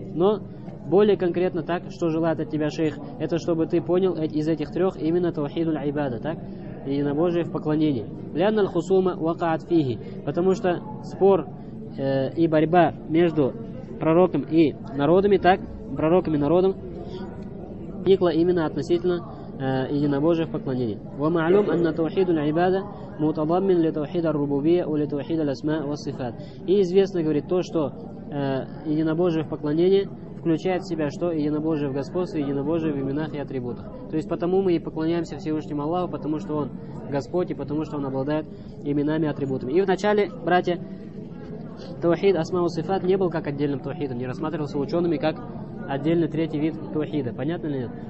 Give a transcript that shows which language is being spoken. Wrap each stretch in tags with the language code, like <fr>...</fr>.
<ru>Но более конкретно так, что желает от тебя шейх, это чтобы ты понял из этих трех именно тавахиду аль-ибада, так? Единобожие в поклонении.</ru> <ar>«Лянна аль-хусума вакаат фиги».</ar> <ru>Потому что спор и борьба между пророком и народами, так? Пророком и народом, возникла именно относительно единобожие в поклонении.</ru> <ar>ومعلوم أن توحيد العبادة متضمن لتوحيد الربوبية ولتوحيد الأسماء والصفات.</ar> <ru>И известно, говорит, то, что единобожие в поклонении включает в себя что? Единобожие в господстве, единобожие в именах и атрибутах. То есть потому мы и поклоняемся Всевышнему Аллаху, потому что Он Господь и потому что Он обладает именами и атрибутами. И вначале, братья, тавхид асма ва сифат не был как отдельным тавхидом, не рассматривался учеными как отдельный третий вид тавхида. Понятно ли нет?</ru>